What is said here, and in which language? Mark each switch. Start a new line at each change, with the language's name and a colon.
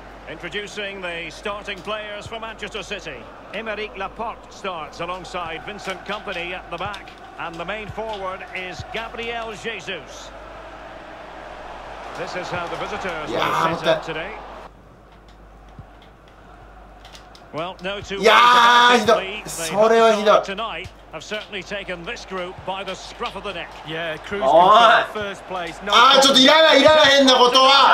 English: Introducing the starting players for Manchester City. Emerick Laporte starts alongside Vincent Kompany at the back, and the main forward is Gabriel Jesus. This is how the visitors are set up today.
Japanese: いやーひどい、それはひどい。
English: I've certainly taken this group by the scruff of the neck. Yeah, cruise control first place.
Japanese: No, ああ、ちょっといらない、いらない、変なことは。